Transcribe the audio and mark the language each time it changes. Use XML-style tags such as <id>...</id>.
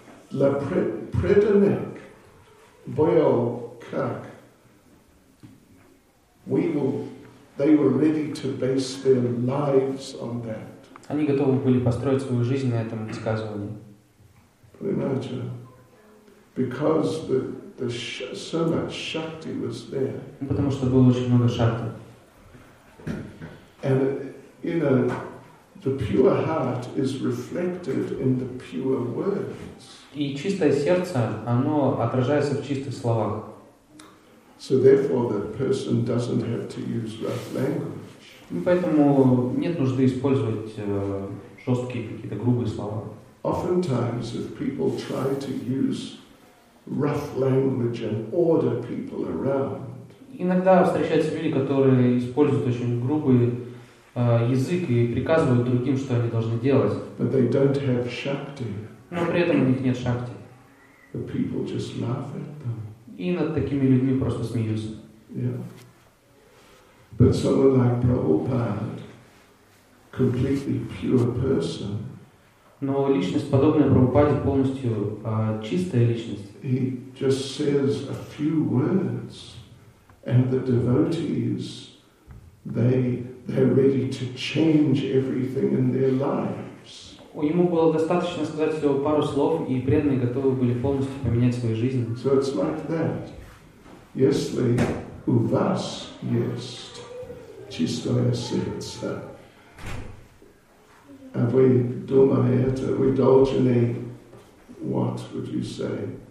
<ru>Для преданных был как</ru> <en>they were ready to base their lives on that.</en> <ru>Они готовы были построить свою жизнь на этом высказывании. Понимаете?</ru> <en>Because so much shakti was there.</en> <ru>Потому что было очень много шакти.</ru> <en>And you know, the pure heart is reflected in the pure words.</en> <ru>И чистое сердце, оно отражается в чистых словах.</ru> <en>So therefore, the person doesn't have to use rough language.</en> <ru>Поэтому нет нужды использовать жесткие какие-то грубые слова.</ru> <en>Oftentimes, if people try to use rough language and order people around.</en> <ru>Иногда встречаются люди, которые используют очень грубые язык и приказывают другим, что они должны делать.</ru> <en>But they don't have shakti.</en> <ru>Но при этом у них нет шакти.</ru> <en>The people just laugh at them.</en> <ru>И над такими людьми просто смеются.</ru> <en>Yeah. But someone like Prabhupada, completely pure person.</en> <ru>Но личность, подобная Прабхупаде, полностью чистая личность.</ru> <en>He just says a few words, and the devotees, they're ready to change everything in their lives.</en> <ru>Ему было достаточно сказать всего пару слов, и преданные готовы были полностью поменять свою жизнь.</ru> <en>So it's like that.</en> <ru>Если у вас есть чистое сердце,</ru> <en>Have we dumaya to indulge what would you say?</en>